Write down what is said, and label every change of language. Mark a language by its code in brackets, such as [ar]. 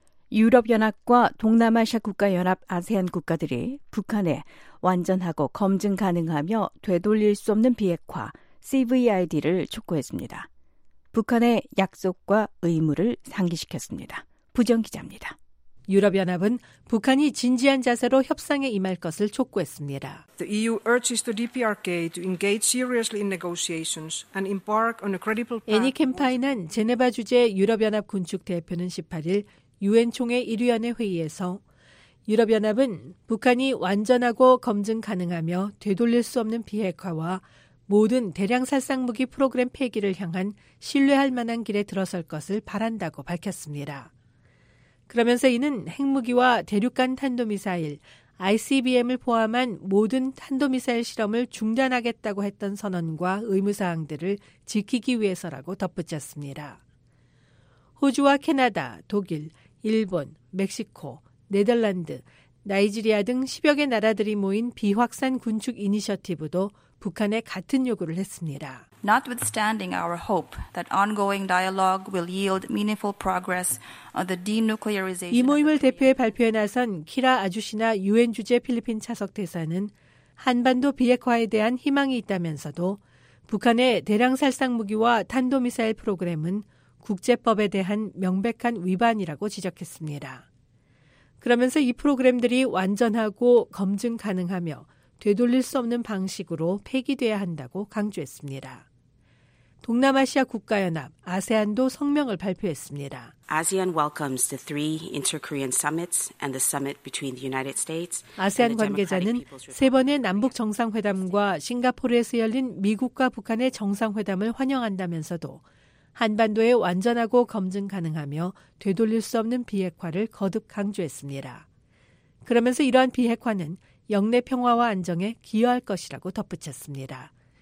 [ko] 유럽연합과 동남아시아 국가연합 아세안 국가들이 북한에 완전하고 검증 가능하며 되돌릴 수 없는 비핵화 CVID를 촉구했습니다. 북한의 약속과 의무를 상기시켰습니다. 부정 기자입니다. 유럽연합은 북한이 진지한 자세로 협상에 임할 것을 촉구했습니다. [en] The EU urges the DPRK to engage seriously in negotiations and embark on a credible path. [ko] 애니 캠파인한 제네바 주재 유럽연합 군축 대표는 18일 유엔 총회 1위원회 회의에서 유럽연합은 북한이 완전하고 검증 가능하며 되돌릴 수 없는 비핵화와 모든 대량 살상무기 프로그램 폐기를 향한 신뢰할 만한 길에 들어설 것을 바란다고 밝혔습니다. 그러면서 이는 핵무기와 대륙간 탄도미사일, ICBM을 포함한 모든 탄도미사일 실험을 중단하겠다고 했던 선언과 의무사항들을 지키기 위해서라고 덧붙였습니다. 호주와 캐나다, 독일, 일본, 멕시코, 네덜란드, 나이지리아 등 10여 개 나라들이 모인 비확산 군축 이니셔티브도 북한에 같은 요구를 했습니다. [en] Notwithstanding our hope that ongoing dialogue will yield meaningful progress on the denuclearization. [ko] 이 모임을 대표해 발표에 나선 키라 아주시나 유엔 주재 필리핀 차석 대사는 한반도 비핵화에 대한 희망이 있다면서도 북한의 대량 살상무기와 탄도미사일 프로그램은 국제법에 대한 명백한 위반이라고 지적했습니다. 그러면서 이 프로그램들이 완전하고 검증 가능하며 되돌릴 수 없는 방식으로 폐기돼야 한다고 강조했습니다. 동남아시아 국가연합 아세안도 성명을 발표했습니다. [en] ASEAN welcomes the three inter-Korean summits and the summit between the United States. [ko] 아세안 관계자는 세 번의 남북 정상회담과 싱가포르에서 열린 미국과 북한의 정상회담을 환영한다면서도 한반도에 완전하고 검증 가능하며 되돌릴 수 없는 비핵화를 거듭 강조했습니다. 그러면서 이러한 비핵화는 영내 평화와 안정에 기여할 것이라고 덧붙였습니다.